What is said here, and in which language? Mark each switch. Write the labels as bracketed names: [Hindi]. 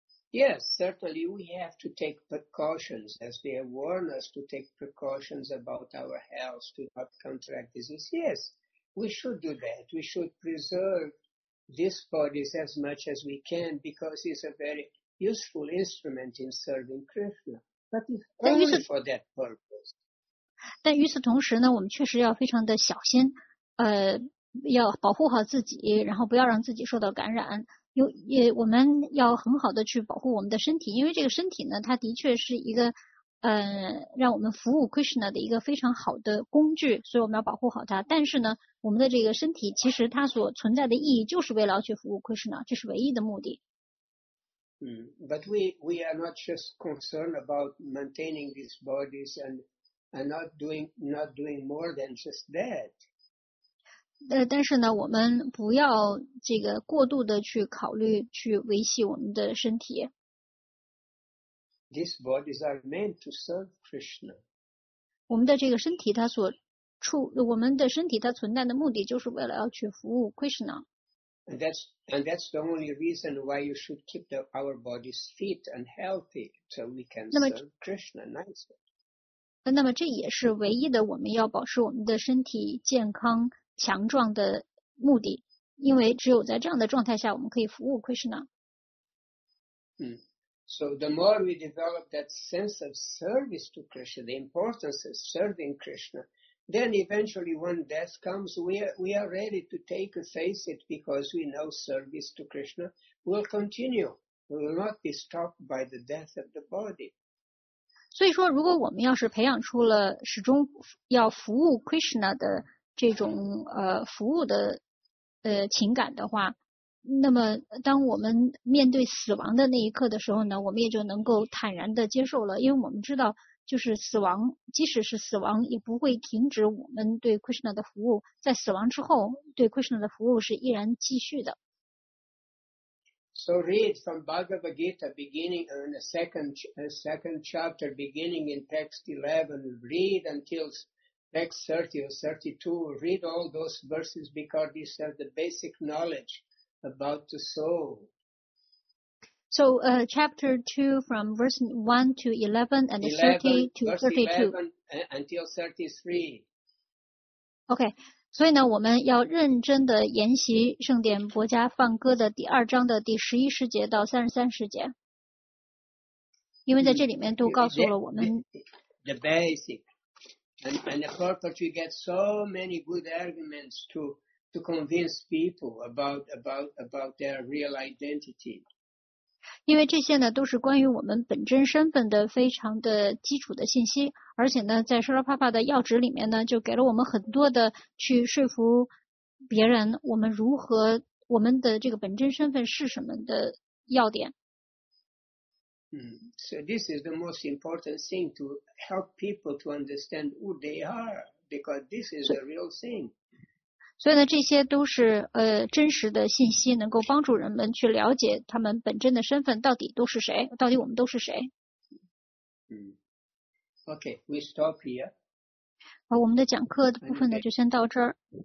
[English] Yes, certainly we have to take precautions as they warn us to take precautions about our health to not contract disease. Yes, we should do that. We should preserve these bodies as much as we can because it's a very useful instrument in serving Krishna. But it's only for that purpose. [Chinese] 但与此同时呢，我们确实要非常的小心，要保护好自己，然后不要让自己受到感染。我们要很好的去保护我们的身体，因为这个身体呢，它的确是一个让我们服务 Krishna 的一个非常好的工具，所以我们要保护好它。但是呢，我们的这个身体其实它所存在的意义就是为了去服务 Krishna， 这是唯一的目的。 [English] But we are not just concerned about maintaining these bodies and not doing more than just that. [Chinese] 但是呢，我们不要这个过度的去考虑去维系我们的身体。 [English] These bodies are meant to serve Krishna. [Chinese] 我们的这个身体它所处，我们的身体它存在的目的就是为了要去服务 Krishna。 [English] And that's the only reason why you should keep our bodies fit and healthy so we can serve Krishna nicely. [Chinese] 那么这也是唯一的我们要保持我们的身体健康强壮的目的，因为只有在这样的状态下我们可以服务 Krishna。 [English] So the more we develop that sense of service to Krishna, the importance of serving Krishna,then eventually when death comes, we are ready to take and face it because we know service to Krishna will continue. We will not be stopped by the death of the body. [Chinese] 所以说如果我们要是培养出了始终要服务 Krishna 的这种服务的情感的话，那么当我们面对死亡的那一刻的时候呢，我们也就能够坦然地接受了，因为我们知道就是死亡，即使是死亡也不会停止我们对 Krishna 的服务，在死亡之后对 Krishna 的服务是依然继续的。 [English] So read from Bhagavad Gita beginning in the second chapter beginning in text 11, read until text 30 or 32, read all those verses because these are the basic knowledge about the soul. So, chapter 2 from verse 1 to 11 and 30 to 32. Until 33. Okay. [Chinese] 所以呢，我们要认真的研习圣典薄伽梵歌的第二章的第十一世节到三十三世节。因为在这里面都告诉了我们。 [English] The basic. And the purpose we get so many good arguments to convince people about their real identity. [Chinese] 因为这些呢都是关于我们本真身份的非常的基础的信息，而且呢在舍罗帕帕的要旨里面呢就给了我们很多的去说服别人我们如何我们的这个本真身份是什么的要点。 [English] So this is the most important thing to help people to understand who they are, because this is a real thing. [Chinese] 所以呢这些都是真实的信息，能够帮助人们去了解他们本真的身份到底都是谁，到底我们都是谁。 [English] Okay, we stop here. [Chinese] 好，我们的讲课的部分呢就先到这儿。